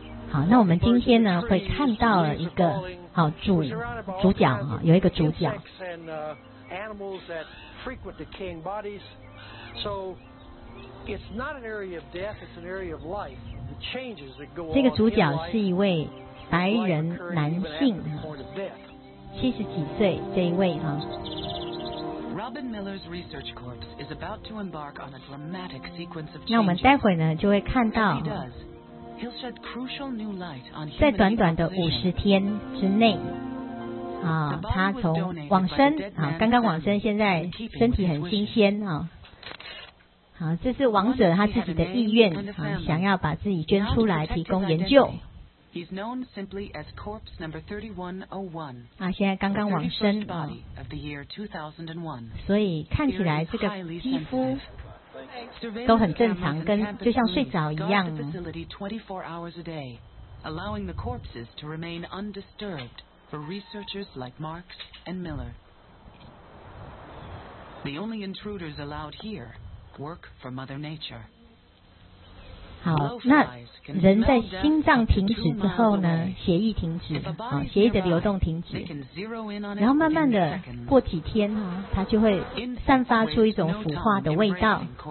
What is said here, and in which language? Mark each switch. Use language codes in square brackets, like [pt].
[zh] 好，那我们今天呢会看到了一个好主角啊，有一个主角。 [en] animals that frequent decaying bodies. So it's not an area of death, it's an area of life. The changes that go on. [zh] 这个主角是一位白人男性，七十几岁这一位啊。 [en] Robin Miller's research corps is about to embark on a dramatic sequence of changes. [zh] 那我们待会呢就会看到。 [en] He'll shed crucial new light on [zh] 在短短的五十天之内，啊，他从往生啊，刚刚往生，现在身体很新鲜啊。好，这是王者他自己的意愿啊，想要把自己捐出来提供研究。 [en] He's known simply as Corpse Number 3101. [zh] 啊，现在刚刚往生啊。 [en] Of the year 2001. [zh] 所以看起来这个肌肤都很正常，跟就像睡着一样。 [en] Guard the facility 24 hours a day, allowing the corpses to remain undisturbed for researchers like Marks and Miller. The only intruders allowed here work for Mother Nature. [zh] 好，那人在心脏停止之后呢，血液停止，啊，血液的流动停止，然后慢慢的过几天啊，它就会散发出一种腐化的味道。